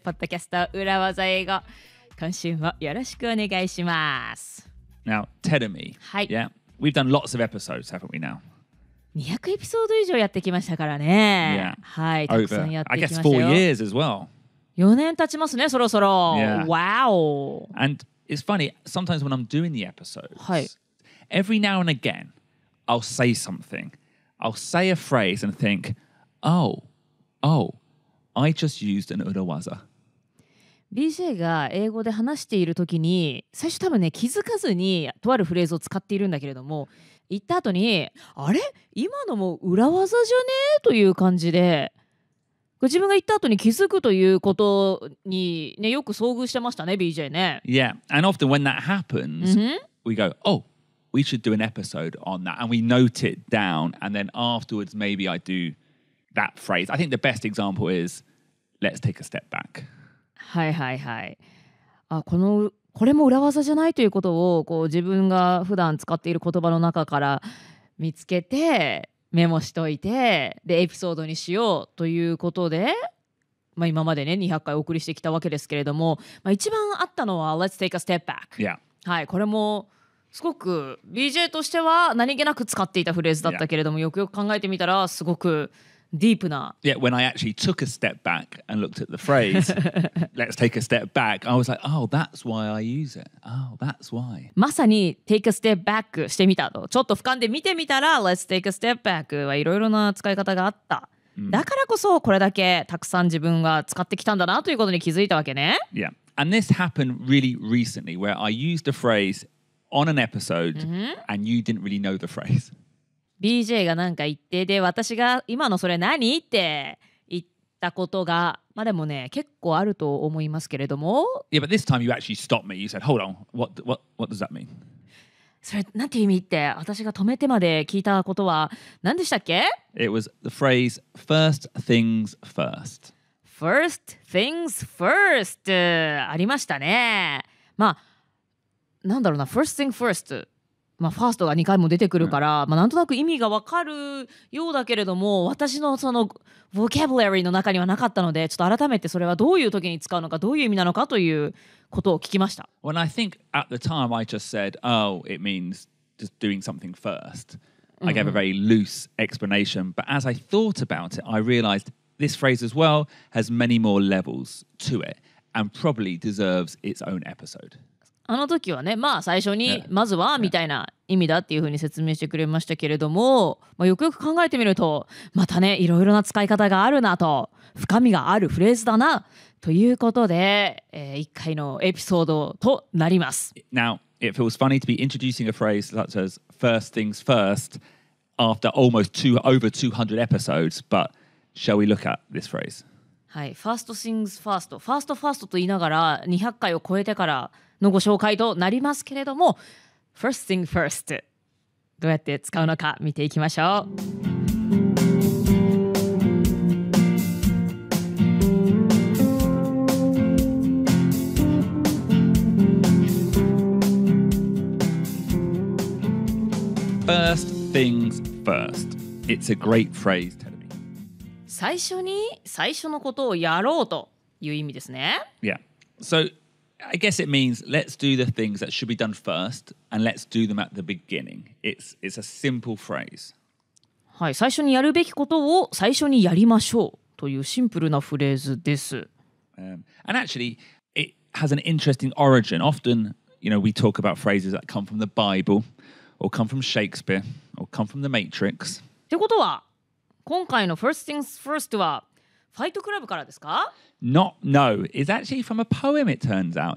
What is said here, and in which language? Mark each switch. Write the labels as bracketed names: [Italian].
[Japanese] ポッドキャスト、裏技英語。今週もよろしくお願いします。 [English] Now, Terumi. [Japanese] はい。 [English] Yeah, we've done lots of episodes, haven't we now? [Japanese] 200エピソード以上やってきましたからね。 [English] Yeah. [Japanese] はい、たくさんやってきましたよ。 [English] I guess 4 years as well. [Japanese] 4年経ちますね、そろそろ。 [English] Yeah. Wow. And it's funny, sometimes when I'm doing the episodes,、 [Japanese] はい、 [English] every now and again, I'll say something. I'll say a phrase and think, Oh, I just used an 裏技. [Japanese] BJ が英語で話しているときに、最初多分ね、気づかずにとあるフレーズを使っているんだけれども、言った後に、あれ？今のも裏技じゃね？という感じで、自分が言った後に気づくということに、ね、よく遭遇してましたね、BJ ね。 [English] Yeah, and often when that happens,、 mm-hmm. we go, oh, we should do an episode on that. And we note it down, and then afterwards maybe I do... That phrase. I think the best example is, let's take a step back. [Japanese] はいはいはい。あ、この、これも裏技じゃないということをこう自分が普段使っている言葉の中から見つけてメモしといてでエピソードにしようということで、まあ、今までね200回お送りしてきたわけですけれども、まあ、一番あったのは [English] let's take a step back. Yeah. [Japanese] はい、これもすごく BJ としては何気なく使っていたフレーズだったけれども、 [English] yeah. [Japanese] よくよく考えてみたらすごくDeep な。 [English] Yeah, when I actually took a step back and looked at the phrase, let's take a step back, I was like, oh, that's why I use it. Oh, that's why. [Japanese] まさに [English] take a step back [Japanese] してみたと。ちょっと俯瞰で見てみたら、 [English] let's take a step back [Japanese] はいろいろな使い方があった。Mm. だからこそこれだけたくさん自分が使ってきたんだなということに気づいたわけね。 [English] Yeah, and this happened really recently where I used a phrase on an episode、 mm-hmm. and you didn't really know the phrase. [Japanese] BJ が何か言ってで私が今のそれ何って言ったことがまあでもね結構あると思いますけれども [English] Yeah, but this time you actually stopped me. You said, hold on, what does that mean? [Japanese] それなんていう意味って私が止めてまで聞いたことは何でしたっけ [English] It was the phrase, first things first. First things first. [Japanese] ありましたね。まあなんだろうな、 [English] first thing first. [Japanese] まあ、ファーストが2回も出てくるから、うんまあ、なんとなく意味がわかるようだけれども私のそのボキャブラリーの中にはなかったのでちょっと改めてそれはどういう時に使うのかどういう意味なのかということを聞きました [English] When I think at the time I just said Oh, it means just doing something first I gave a very loose explanation But as I thought about it I realized this phrase as well has many more levels to it and probably deserves its own episode [Japanese] あの時はね、まあ最初にまずはみたいな意味だっていう風に説明してくれましたけれども、まあ、よくよく考えてみると、またね、いろいろな使い方があるなと、深みがあるフレーズだなということで、1回のエピソードとなります。 [English] Now, it feels funny to be introducing a phrase such as first things first after almost over 200 episodes, but shall we look at this phrase? [Japanese] はい、 [English] first things first. First first [Japanese] と言いながら200回を超えてからのご紹介となりますけれども [English] First thing first [Japanese] どうやって使うのか見ていきましょう [English] First things first It's a great phrase, Terumi [Japanese] 最初に最初のことをやろうという意味ですね [English] Yeah, soI guess it means let's do the things that should be done first and let's do them at the beginning. It's a simple phrase. [Japanese] はい、最初にやるべきことを最初にやりましょうというシンプルなフレーズです。 [English] And actually, it has an interesting origin. Often, you know, we talk about phrases that come from the Bible or come from Shakespeare or come from the Matrix. [Japanese] ってことは、今回の [English] first things first [Japanese] はファイトクラブからですか? [English] Not, no. It's actually from a poem, it turns out.